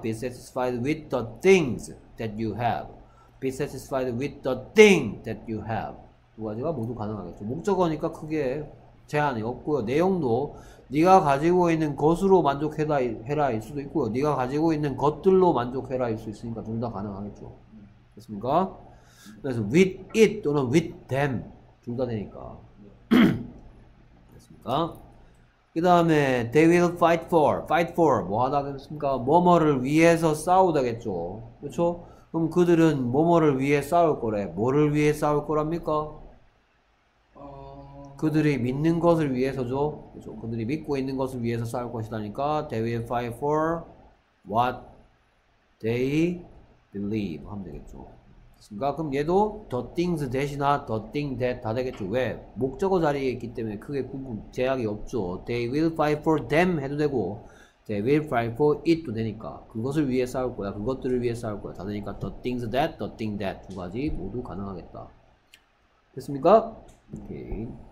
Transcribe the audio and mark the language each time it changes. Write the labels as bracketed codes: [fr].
[en] Be satisfied with the things that you have. Be satisfied with the thing that you have. [ko] 두 가지가 모두 가능하겠죠. 목적어니까 크게 제한이 없고요. 내용도 네가 가지고 있는 것으로 만족해라 해라 일 수도 있고요. 네가 가지고 있는 것들로 만족해라 일 수 있으니까 둘 다 가능하겠죠. 됐습니까? 그래서 with it 또는 with them 둘 다 되니까. 됐습니까? 그 다음에 [en] they will fight for. [ko] Fight for 뭐 하다 됐습니까? 뭐뭐를 위해서 싸우다겠죠. 그렇죠? 그럼 그들은 뭐뭐를 위해 싸울 거래. 뭐를 위해 싸울 거랍니까? 그들이 믿는 것을 위해서죠. 그렇죠? 그들이 믿고 있는 것을 위해서 싸울 것이다니까. [en] They will fight for what they believe [ko] 하면 되겠죠. 그니까 그럼 얘도 the things that이나 the thing that 다 되겠죠. 왜? 목적어 자리에 있기 때문에 크게 구분 제약이 없죠. [en] They will fight for them [ko] 해도 되고 [en] They will fight for it도 [ko] 되니까 그것을 위해 싸울 거야. 그것들을 위해 싸울 거야. 다 되니까 the things that, the thing that 두 가지 모두 가능하겠다. 됐습니까? 오케이.